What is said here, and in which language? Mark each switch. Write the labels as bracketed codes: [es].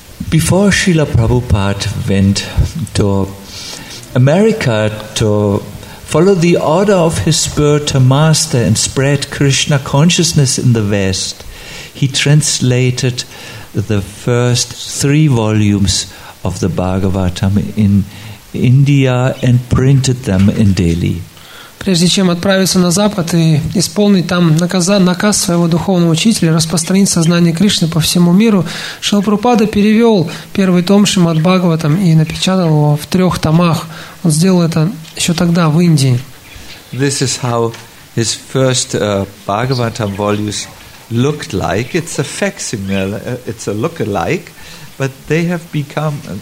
[en] Before Srila Prabhupada went to America to follow the order of his spiritual master and spread Krishna consciousness in the West, he translated the first three volumes of the Bhagavatam in India and printed them in Delhi. [ru] Прежде чем отправиться на Запад и исполнить там наказ своего духовного учителя, распространить сознание Кришны по всему миру, Шрила Прабхупада перевел первый том Шримад Бхагаватам и напечатал его в трех томах. Он сделал это еще тогда, в Индии. [en] This is how his first Bhagavatam volumes looked like. It's a facsimile, it's a look-alike, but they have become...